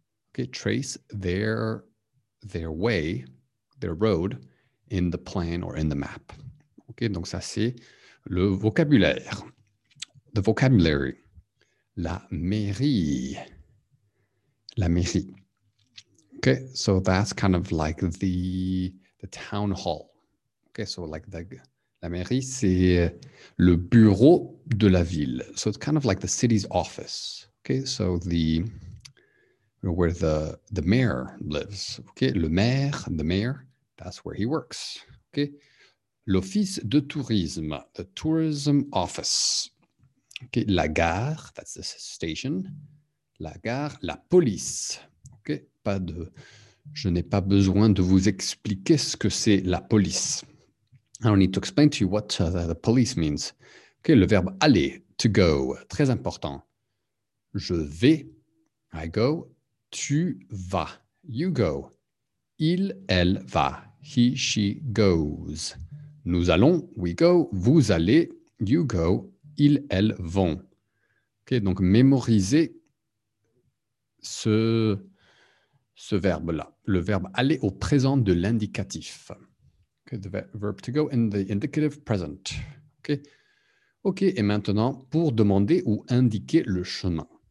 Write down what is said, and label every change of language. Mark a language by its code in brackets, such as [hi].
[en] Okay, trace their way, their road, in the plan or in the map. [fr] Okay, donc ça c'est le vocabulaire. [en] The vocabulary. [fr] La mairie. [en] Okay, so that's kind of like the town hall. Okay, so like the... [fr] La mairie, c'est le bureau de la ville. [en] So it's kind of like the city's office. Okay, so the, where the mayor lives. Okay, the mayor, that's where he works. Okay, [fr] l'office de tourisme, [en] the tourism office. [fr] Okay, la gare, [en] that's the station. [fr] La gare, la police. Okay, je n'ai pas besoin de vous expliquer ce que c'est la police. [en] I don't need to explain to you what the police means. [fr] Okay, le verbe aller, [en] to go, [fr] très important. Je vais, [en] I go, [fr] tu vas, [en] you go. [fr] Il, elle va, [en] he, she goes. [fr] Nous allons, [en] we go, [fr] vous allez, [en] you go, [fr] ils, elles vont. Okay, donc mémoriser ce verbe-là. Le verbe aller au présent de l'indicatif. [en] Okay, the verb to go in the indicative present. Okay. [fr] Okay, et maintenant, pour demander ou indiquer le chemin.